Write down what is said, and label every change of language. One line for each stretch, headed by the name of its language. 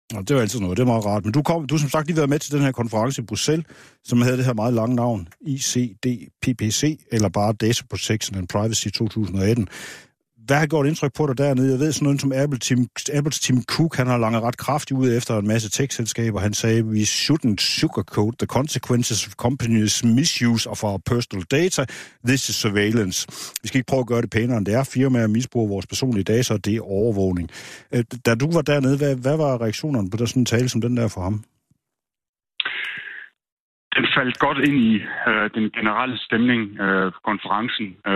Danish: Ja, det er altid noget, det er meget rart. Men du som sagt lige været med til den her konference i Bruxelles, som havde det her meget lange navn, ICDPPC, eller bare Data Protection and Privacy 2018. Hvad har gjort indtryk på dig dernede? Jeg ved sådan noget som Apples Tim Cook, han har langet ret kraftigt ud efter en masse tech-selskaber. Han sagde,
English: we shouldn't sugarcoat the consequences of companies misuse of our personal data. This is surveillance.
Danish: Vi skal ikke prøve at gøre det pænere, end det er. Firmaer misbruger vores personlige data, og det er overvågning. Da du var dernede, hvad var reaktionerne på sådan en tale som den der for ham? Den faldt godt ind i den generelle stemning på konferencen.